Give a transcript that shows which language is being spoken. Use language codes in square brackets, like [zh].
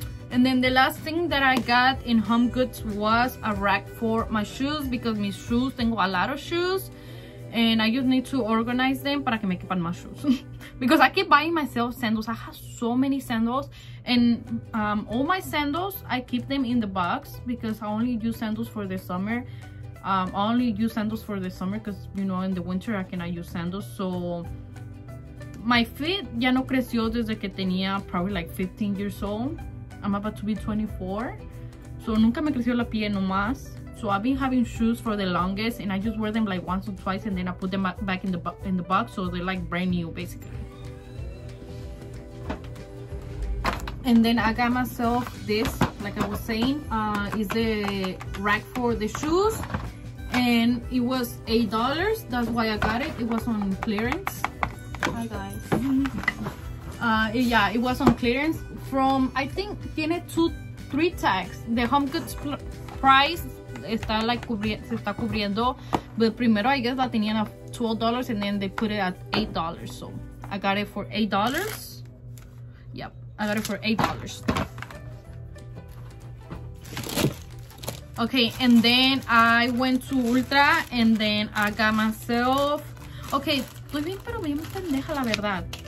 [en] And then the last thing that I got in Homegoods was a rack for my shoes, because my shoes, [es] tengo [en] a lot of shoes and I just need to organize them [es] para que me quepan más [en] shoes. Because I keep buying myself sandals. I have so many sandals. And all my sandals, I keep them in the box because I only use sandals for the summer. I only use sandals for the summer because, you know, in the winter I cannot use sandals. So my feet [es] ya no creció desde que tenía [en] probably like 15 years old. I'm about to be 24. So [es] nunca me creció la piel nomás. [en] So I've been having shoes for the longest and I just wear them like once or twice and then I put them back in the box. So they're like brand new basically. And then I got myself this, like I was saying, is the rack for the shoes. And it was $8, that's why I got it. It was on clearance. Hi guys. Yeah, it was on clearance from, I think, [es] tiene [en] 2-3 tags. The Homegoods price [es] está [en] like [es] se está cubriendo. [en] But [es] primero, [en] I guess, [es] la tenían a [en] $12 and then they put it at $8. So I got it for $8. Yep. I got it for $8. Okay, and then I went to Ultra and then I got myself. [es] Okay, estoy bien, pero bien pendeja, la verdad.